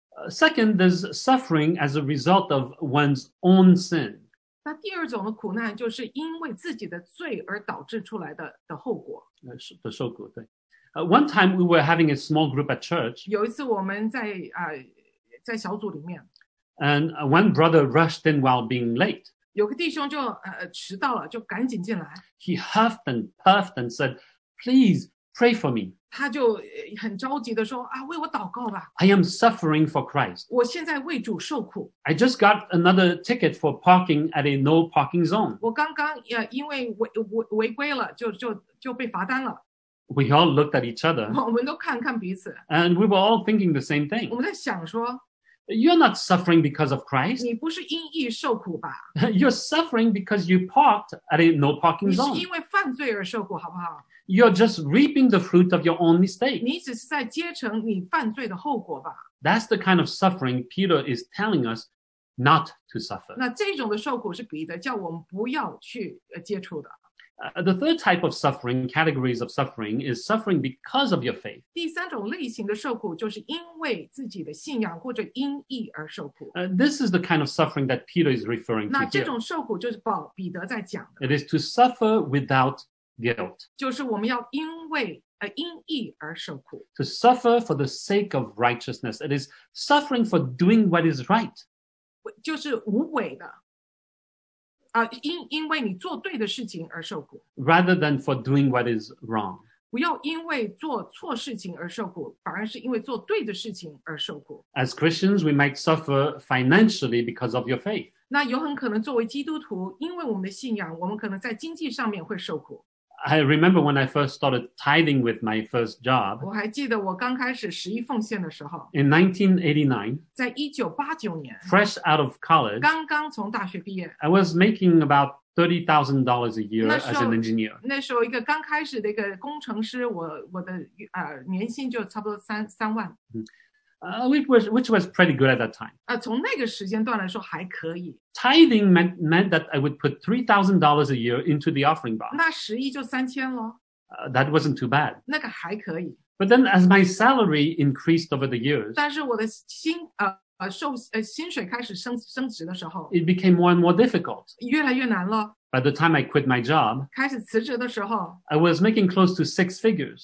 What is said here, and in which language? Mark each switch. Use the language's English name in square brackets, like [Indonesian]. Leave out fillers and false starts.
[English] Second, there's suffering as a result of one's own sin. [Chinese] 那第二种的苦难就是因为自己的罪而导致出来的后果。的受苦，对。 [English] One time we were having a small group at church. [Chinese] 有一次我们在小组里面。 [English] And one brother rushed in while being late. [Chinese] 有个弟兄就迟到了，就赶紧进来。 [English] He huffed and puffed and said, "Please pray for me." [Chinese] 他就很着急的说啊，为我祷告吧。 [English] I am suffering for Christ. [Chinese] 我现在为主受苦。 [English] I just got another ticket for parking at a no parking zone. [Chinese] 我刚刚因为违规了，就被罚单了。 [English] We all looked at each other. [Chinese] 我们都看看彼此。 [English] And we were all thinking the same thing. [Chinese] 我们在想说。 [English] You're not suffering because of Christ. [Chinese] 你不是因义受苦吧？ [English] You're suffering because you parked at a no parking zone. [Chinese] 你是因为犯罪而受苦，好不好？ [English] You're just reaping the fruit of your own mistake. [Chinese] 你只是在接承你犯罪的后果吧？ [English] That's the kind of suffering Peter is telling us not to suffer. [Chinese] 那这种的受苦是彼得叫我们不要去接触的。 [English] The third type of suffering, categories of suffering, is suffering because of your faith. [Chinese] 第三种类型的受苦就是因为自己的信仰或者因义而受苦。 [English] This is the kind of suffering that Peter is referring to. [Chinese] 那这种受苦就是保彼得在讲的。 [English] It is to suffer without guilt. [Chinese] 就是我们要因为因义而受苦。 [English] To suffer for the sake of righteousness. It is suffering for doing what is right. [Chinese] 就是无为的。因为你做对的事情而受苦 [English] rather than for doing what is wrong. [Chinese] 不要因为做错事情而受苦，反而是因为做对的事情而受苦。 [English] As Christians, we might suffer financially because of your faith. [Chinese] 那有很可能作为基督徒，因为我们的信仰，我们可能在经济上面会受苦。 [English] I remember when I first started tithing with my first job. [Chinese] 我还记得我刚开始十一奉献的时候。 [English] In 1989, [Chinese] 在1989年。 [English] Fresh out of college. [Chinese] 刚刚从大学毕业。 [English] I was making about $30,000 a year as an engineer. [Chinese] 那时候一个刚开始的一个工程师，我的年薪就差不多三万。 [English] Which was pretty good at that time. [Chinese] 从那个时间段来说还可以。 [English] Tithing meant that I would put $3,000 a year into the offering box. [Chinese] 那十亿就三千咯。 [English] That wasn't too bad. [Chinese] 那个还可以。 [English] But then as my salary increased over the years, [Chinese] 但是我的薪水开始升值的时候， [English] it became more and more difficult. [Chinese] 越来越难咯。 [English] By the time I quit my job, [Chinese] 开始辞职的时候， [English] I was making close to six figures.